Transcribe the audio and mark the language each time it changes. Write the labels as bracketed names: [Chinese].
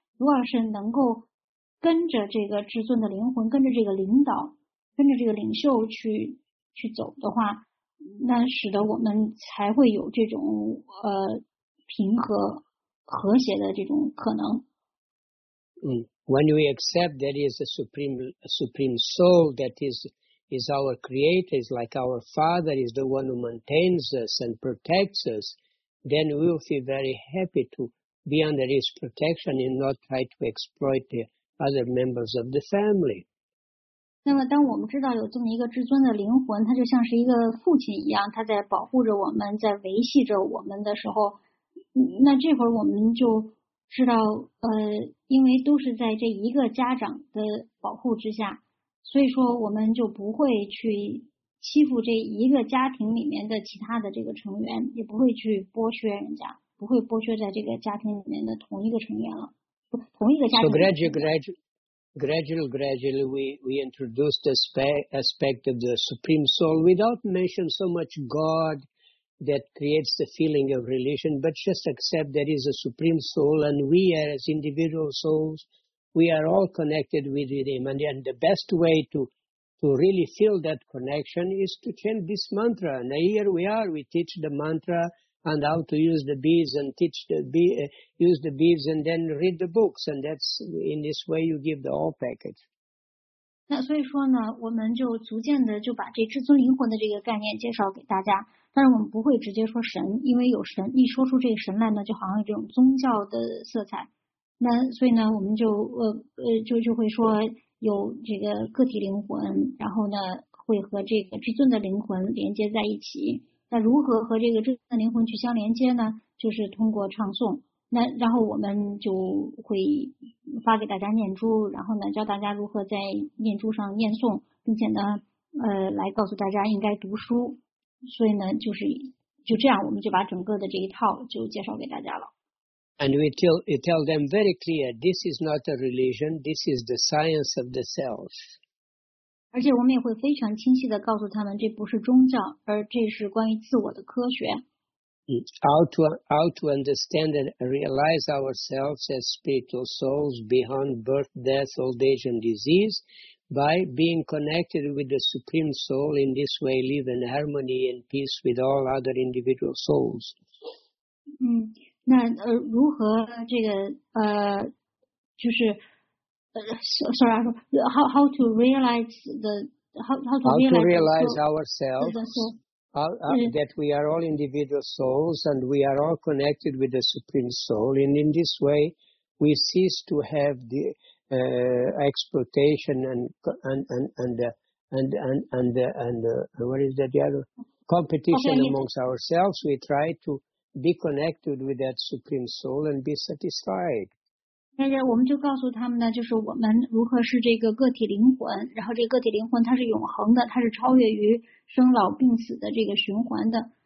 [Chinese] 如果是能够跟着这个至尊的灵魂，跟着这个领导，跟着这个领袖去走的话，那使得我们才会有这种平和和谐的这种可能。 [English] When we accept that is a supreme soul that is our creator, is like our father, is the one who maintains us and protects us. Then we will feel very happy to be under his protection and not try to exploit the other members of the family. [Chinese] 那么当我们知道有这么一个至尊的灵魂，他就像是一个父亲一样，他在保护着我们，在维系着我们的时候，那这会儿我们就知道因为都是在这一个家长的保护之下，所以说我们就不会去欺负这一个家庭里面的其他的这个成员，也不会去剥削人家，不会剥削在这个家庭里面的同一个成员了，同一个家庭。 [English] So gradually, we introduced the aspect of the supreme soul without mentioning so much God that creates the feeling of relation, but just accept there is a supreme soul and we are as individual souls, we are all connected with him, and the best way to really feel that connection is to chant this mantra. Now here we are, we teach the mantra and how to use the beads and use the beads and then read the books. And that's in this way you give the whole package. [Chinese] 那所以说呢，我们就逐渐的就把这至尊灵魂的这个概念介绍给大家。但是我们不会直接说神，因为有神，一说出这个神来呢，就好像有这种宗教的色彩。那所以呢，我们就会说有这个个体灵魂，然后呢会和这个至尊的灵魂连接在一起。那如何和这个至尊的灵魂去相连接呢？就是通过唱诵。那然后我们就会发给大家念珠，然后呢教大家如何在念珠上念诵，并且呢来告诉大家应该读书。所以呢就这样，我们就把整个的这一套就介绍给大家了。 [English] And we tell them very clear, this is not a religion, this is the science of the self. [Chinese] 而且我们也会非常清晰地告诉他们，这不是宗教，而这是关于自我的科学。 [English] How to understand and realize ourselves as spiritual souls beyond birth, death, old age and disease by being connected with the Supreme Soul in this way, live in harmony and peace with all other individual souls. [Chinese] 那如何这个就是 [English] sorry, how to realize ourselves, that we are all individual souls and we are all connected with the Supreme Soul, and in this way we cease to have the exploitation and what is that the other competition amongst ourselves. We try to be connected with that Supreme Soul and be satisfied. [Chinese] 那个我们就告诉他们呢，就是我们如何是这个个体灵魂，然后这个个体灵魂它是永恒的，它是超越于生老病死的这个循环的。